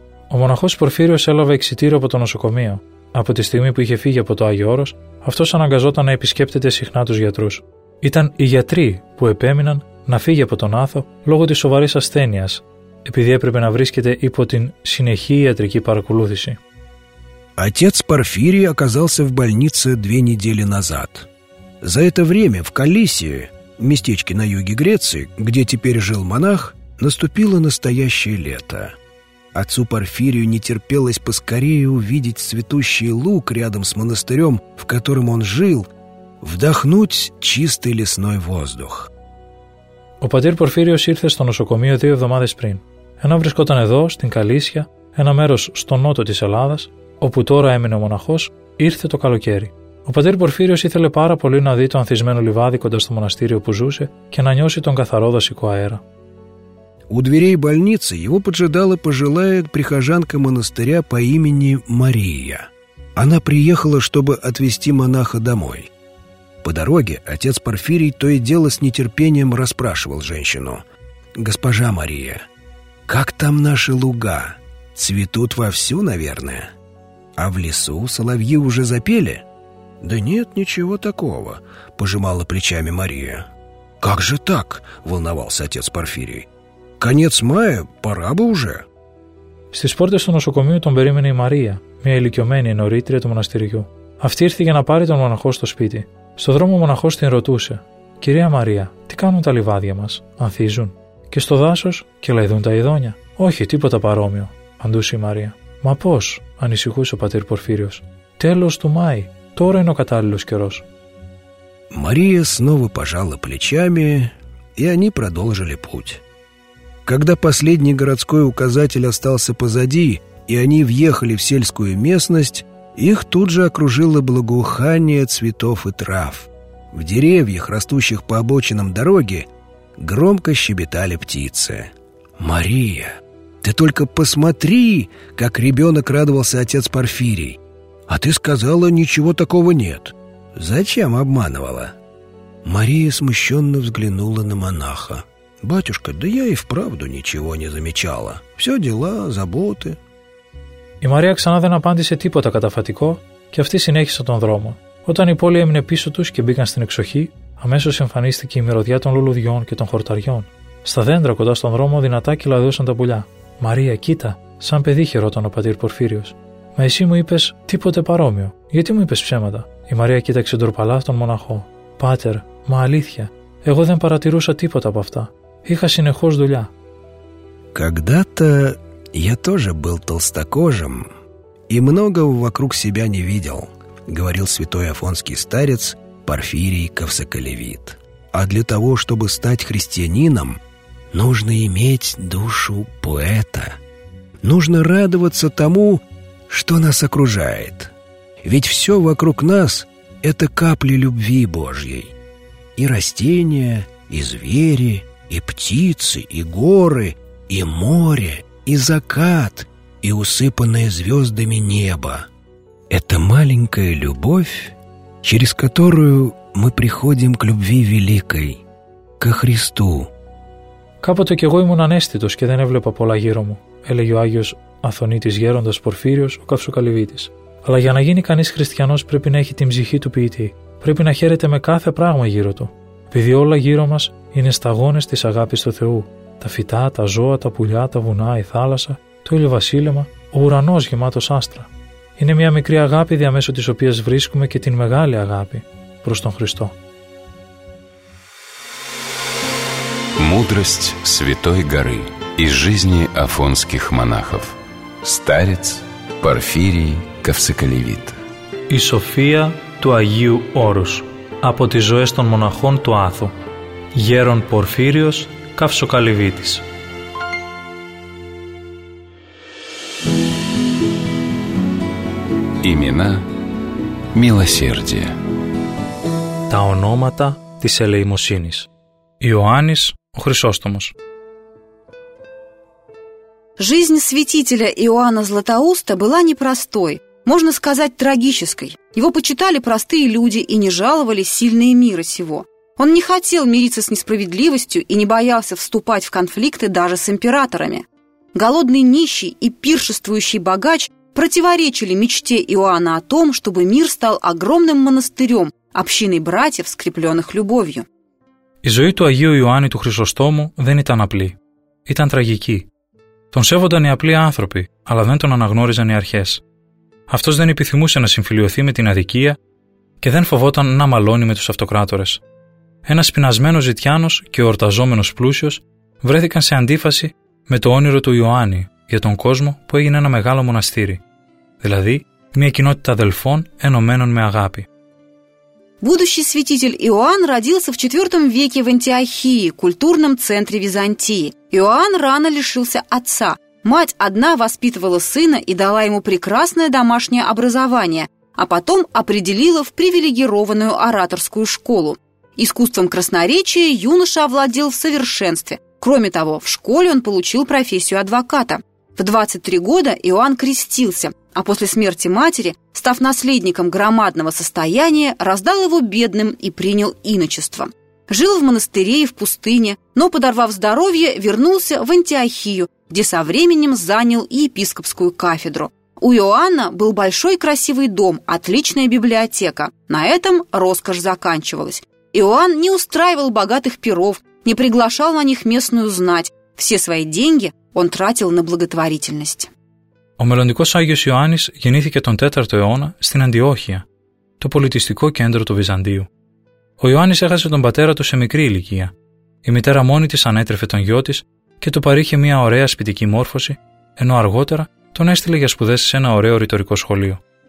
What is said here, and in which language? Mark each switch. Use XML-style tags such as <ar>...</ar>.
<el>Ο μοναχός Πορφύριος έλαβε εξιτήριο από το νοσοκομείο. Από τη στιγμή που είχε φύγει από το Άγιο Όρος, αυτός αναγκαζόταν να επισκέπτεται συχνά τους γιατρούς. Ήταν οι γιατροί που επέμειναν να φύγει από τον Άθο λόγω της σοβαρής ασθένειας, επειδή έπρεπε να βρίσκεται υπό την συνεχή ιατρική παρακολούθηση.</el> <ru>Отец Порфирий оказался в больнице 2 недели назад. За это время в Калисии, в местечке на юге Греции, где теперь жил монах, наступило настоящее лето. Отцу Порфирию не терпелось поскорее увидеть цветущий луг рядом с монастырем, в котором он жил, вдохнуть чистый лесной воздух.</ru> <el>Ο πατήρ Πορφύριος ήρθε στο νοσοκομείο 2 εβδομάδες πριν. Ενώ βρισκόταν εδώ, στην Καλύσια, ένα μέρος στο νότο της Ελλάδας, όπου τώρα έμεινε ο μοναχός, ήρθε το καλοκαίρι. Ο πατήρ Πορφύριος ήθελε πάρα πολύ να δει το ανθισμένο λιβάδι κοντά στο μοναστήριο που ζούσε και να νιώσει τον καθαρό δασικό αέρα.</el> <ru>У дверей больницы его поджидала пожилая прихожанка монастыря по имени Мария. Она приехала, чтобы отвезти монаха домой. По дороге отец Порфирий то и дело с нетерпением расспрашивал женщину. «Госпожа Мария, как там наши луга? Цветут вовсю, наверное? А в лесу соловьи уже запели?» «Да нет, ничего такого», — пожимала плечами Мария. «Как же так?» — волновался отец Порфирий. «Конец мая, пора бы уже».</ru> <el>Στις πόρτες του νοσοκομείου τον περίμενε η Μαρία, μια ηλικιωμένη νωρίτρια του μοναστηριού. Αυτή ήρθε για να πάρει τον μοναχό στο σπίτι. Στο δρόμο ο μοναχός την ρωτούσε: «Κυρία Μαρία, τι κάνουν τα λιβάδια μας, ανθίζουν? Και στο δάσος κελαϊδούν τα ειδόνια?» «Όχι, τίποτα παρόμοιο», απαντούσε η Μαρία. «Μα πώς?» ανησυχούσε ο πατήρ Πορφύριος. «Τέλος του Μάη. Τώρα είναι ο κατάλληλος καιρός».</el> <ru>Μαρία снова пожала плечами, и они продолжили путь. Когда последний городской указатель остался позади, и они въехали в сельскую местность, их тут же окружило благоухание цветов и трав. В деревьях, растущих по обочинам дороги, громко щебетали птицы. «Мария, ты только посмотри, как ребенок радовался отец Порфирий! А ты сказала, ничего такого нет! Зачем обманывала?» Мария смущенно взглянула на монаха. «Батюшка, да я и вправду ничего не замечала. Все дела, заботы».</ru> <el>Η Μαρία ξανά δεν απάντησε τίποτα καταφατικό και αυτή συνέχισε τον δρόμο. Όταν η πόλη έμεινε πίσω τους και μπήκαν στην εξοχή, αμέσως εμφανίστηκε η μυρωδιά των λουλουδιών και των χορταριών. Στα δέντρα κοντά στον δρόμο δυνατά κυλαδούσαν τα πουλιά. «Μαρία, κοίτα, σαν παιδί χαιρόταν ο πατήρ Πορφύριος. Μα εσύ μου είπες τίποτε παρόμοιο. Γιατί μου είπες ψέματα?» Η Μαρία κοίταξε ντροπαλά τον μοναχό. «Πάτερ, μα αλήθεια, εγώ δεν παρατηρούσα τίποτα από αυτά. Είχα συνεχώς δουλειά».</el> <ru>«Когда-то я тоже был толстокожим и многого вокруг себя не видел», — говорил святой афонский старец Порфирий Ковсоколевит. «А для того, чтобы стать христианином, нужно иметь душу поэта. Нужно радоваться тому, что нас окружает. Ведь все вокруг нас — это капли любви Божьей. И растения, и звери, и птицы, и горы, и море, и закат, и усыпанное звездами небо. Это маленькая любовь, через которую мы приходим к любви великой, ко Христу».</ru> <el>«Κάποτε και εγώ ήμουν ανέστητος και δεν έβλεπα πολλά γύρω μου», έλεγε ο Άγιος Αθωνίτης Γέροντας Πορφύριος, ο Καυσοκαλυβίτης. «Αλλά για να γίνει κανείς χριστιανός πρέπει να έχει την ψυχή του ποιητή, πρέπει να χαίρεται με κάθε πράγμα γύρω του, επειδή όλα γύρω μας είναι σταγόνες της αγάπης του Θεού. Τα φυτά, τα ζώα, τα πουλιά, τα βουνά, η θάλασσα, το ηλιοβασίλεμα, ο ουρανός γεμάτος άστρα. Είναι μια μικρή αγάπη διαμέσου της οποίας βρίσκουμε και την μεγάλη αγάπη προς τον Χριστό».</el> <ru>Мудрость Святой Горы из жизни афонских монахов. Старец Порфирий Ковсоколевит.</ru> <el>Η Σοφία του Αγίου Όρους από τις ζωές των μοναχών του Άθου. Γέρον Πορφύριος Καυσοκαλυβίτης.</el> <ru>Имена милосердия.</ru> <el>Τα ονόματα της ελεημοσύνης. Ιωάννης ο Χρυσόστομος.</el> <ru>Жизнь святителя Иоанна Златоуста была непростой, можно сказать, трагической. Его почитали простые люди и не жаловали сильные мира сего. Он не хотел мириться с несправедливостью и не боялся вступать в конфликты даже с императорами. Голодный нищий и пиршествующий богач противоречили мечте Иоанна о том, чтобы мир стал огромным монастырем, общиной братьев, скрепленных любовью.</ru> <el>Η ζωή του Αγίου Ιωάννη του Χρυσοστόμου δεν ήταν απλή. Ήταν τραγική. Τον σέβονταν οι απλοί άνθρωποι, αλλά δεν τον αναγνώριζαν οι αρχές. Αυτός δεν επιθυμούσε να συμφιλειωθεί με την αδικία και δεν φοβόταν να μαλώνει με τους αυτοκράτορες. Ένας πεινασμένος ζητιάνος και ο ορταζόμενος πλούσιος βρέθηκαν σε αντίφαση με το όνειρο του Ιωάννη για τον κόσμο που έγινε ένα μεγάλο μοναστήρι, δηλαδή μια κοινότητα αδελφών ενωμένων με αγάπη.</el> <ru>Будущий святитель Иоанн родился в IV веке в Антиохии, культурном центре Византии. Иоанн рано лишился отца. Мать одна воспитывала сына и дала ему прекрасное домашнее образование, а потом определила в привилегированную ораторскую школу. Искусством красноречия юноша овладел в совершенстве. Кроме того, в школе он получил профессию адвоката. В 23 года Иоанн крестился, а после смерти матери, став наследником громадного состояния, раздал его бедным и принял иночество. Жил в монастыре и в пустыне, но, подорвав здоровье, вернулся в Антиохию, где со временем занял епископскую кафедру. У Иоанна был большой красивый дом, отличная библиотека. На этом роскошь заканчивалась. Иоанн не устраивал богатых пиров, не приглашал на них местную знать. Все свои деньги он тратил на благотворительность.</ru> <el>Ο μελλοντικός Άγιος Ιωάννης γεννήθηκε τον 4ο αιώνα στην Αντιόχεια, το πολιτιστικό κέντρο του Βυζαντίου. Ο Ιωάννης έχασε τον πατέρα του σε μικρή ηλικία. Η μητέρα μόνη της ανέτρεφε τον γιο της και του παρήχε μια ωραία σπιτική μόρφωση, ενώ αργότερα τον έστειλε για σπουδές σε ένα ωραίο ρητορικό σχολείο.</el>